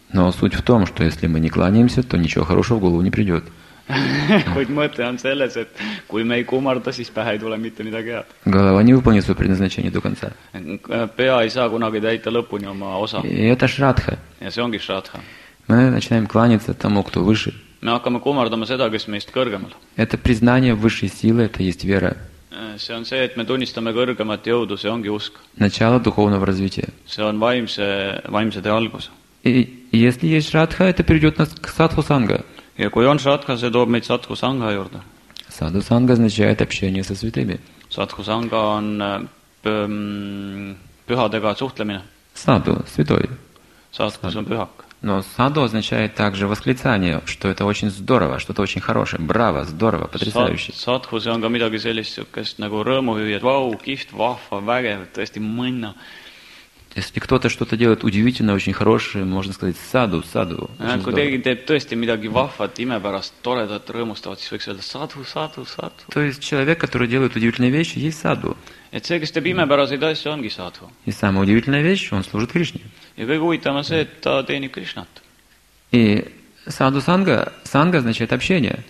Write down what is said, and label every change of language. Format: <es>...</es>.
<ru>Но суть в том, что если мы не кланяемся, то ничего хорошего в голову не придет.</ru> <et>Kuid mõte on selles, et kui me ei kumarda, siis pähe ei tule mitte midagi head.</et> <ru>Голова не выполнит свое предназначение до конца.</ru> <et>Pea ei saa kunagi täita lõpuni oma osa.</et> <ru>И это шрадха.</ru> <et>Ja see ongi шрадха.</et> <ru>Мы начинаем кланяться тому, кто выше.</ru> <et>Me hakkame kumardama seda, kes meist kõrgemal.</et> <ru>Это признание высшей силы, это есть вера.</ru> <et>See on see, et me tunnistame kõrgemat jõudu, see ongi usk.</et> <ru>Начало духовного развития.</ru> <et>See on vaimse tee algus.</et> <ru>И если есть шрадха, это перейдет нас к садху санга.</ru> <et>Ja kui on шрадха, see toob meid садху санга juurde.</et> <ru>Садху санга означает общение со святыми.</ru> <et>Садху санга on pühadega suhtlemine.</et> <ru>Саду, святой.</ru> <et>Садху on pühak.</et> <ru>Но саду означает также восклицание, что это очень здорово, что-то очень хорошее, браво, здорово, потрясающе.</ru> <et>Садху, see on ka midagi sellist, sellist nagu rõõmuhüüd, vau, kihvt, vahva, vägev, tõesti mõnna.</et> <ru>Если кто-то что-то делает удивительно, очень хорошее, можно сказать саду, саду.</ru> <et>Kui teegi teeb tõesti midagi vahvat, imepärast, toredat, rõõmustavat, siis võiks öelda саду, саду, саду.</et> <ru>То есть человек, который делает удивительные вещи, есть саду.</ru> <et>Et see, kes teeb imepäraseid asju, ongi саду.</et> <ru>И самая удивительная вещь, он служит Кришне.</ru> <et>Ja kõige huvitavam on see, et ta teenib Krishnat.</et> <ru>И саду санга, санга значит общение.</ru>